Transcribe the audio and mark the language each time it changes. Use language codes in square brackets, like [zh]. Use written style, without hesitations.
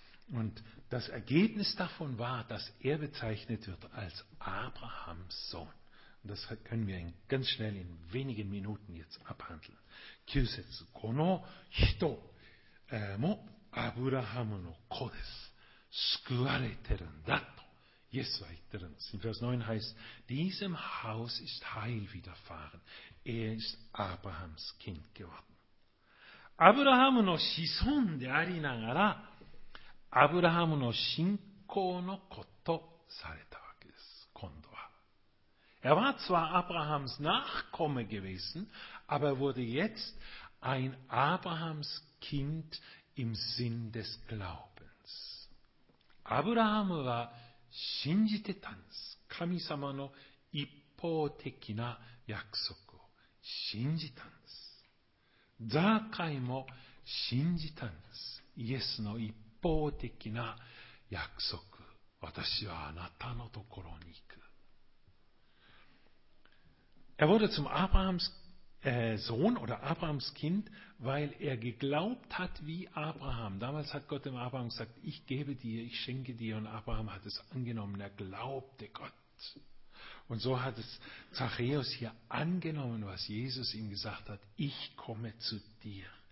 [de] Und das Ergebnis davon war, dass bezeichnet wird als Abrahams Sohn. Das können wir ganz schnell in wenigen Minuten jetzt abhandeln. [ja] 9節、この人、もアブラハムの子です。救われてるんだと、イエスは言ってるんです。 [de] In Vers 9 heißt, diesem Haus ist Heil widerfahren. Ist Abrahams Kind geworden. [ja] アブラハムの子孫でありながら、アブラハムの信仰の子とされたわけです。今度は。 [de] Er war zwar Abrahams Nachkomme gewesen, aber wurde jetzt ein Abrahams Kind im Sinn des Glaubens. [ja] アブラハムは信じてたんです。神様の一方的な約束を信じたんです。ザーカイも信じたんです。イエスの一方的な約束。私はあなたのところに行く。 [de] wurde zum Abrahams Sohn oder Abrahams Kind, weil geglaubt hat wie Abraham. Damals hat Gott dem Abraham gesagt, ich gebe dir, ich schenke dir. Und Abraham hat es angenommen, glaubte Gott. Und so hat es Zachäus hier angenommen, was Jesus ihm gesagt hat, ich komme zu dir.